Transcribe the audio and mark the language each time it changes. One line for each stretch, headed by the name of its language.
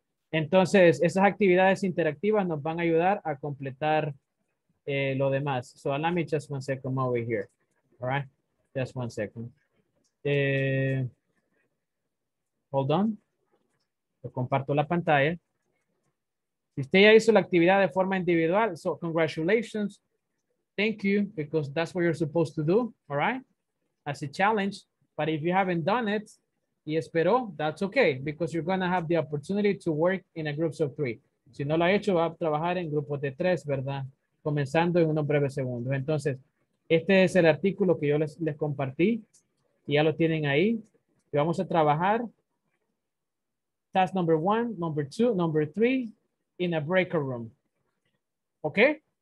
Spanish: Entonces, esas actividades interactivas nos van a ayudar a completar lo demás.
English: So, let me just one second over here, all right? Just one second. Hold on.
Spanish: Yo comparto la pantalla. Si usted ya hizo la actividad de forma individual,
English: so, congratulations. Thank you, because that's what you're supposed to do, all right? As a challenge, but if you haven't done it,
Spanish: y espero,
English: that's okay, because you're going to have the opportunity to work in a groups of three.
Spanish: Si no lo ha hecho, va a trabajar en grupos de tres, ¿verdad? Comenzando en unos breves segundos. Entonces, este es el artículo que yo les compartí, y ya lo tienen ahí. Y vamos a trabajar
English: task number one, number two, number three, in a breaker room, okay?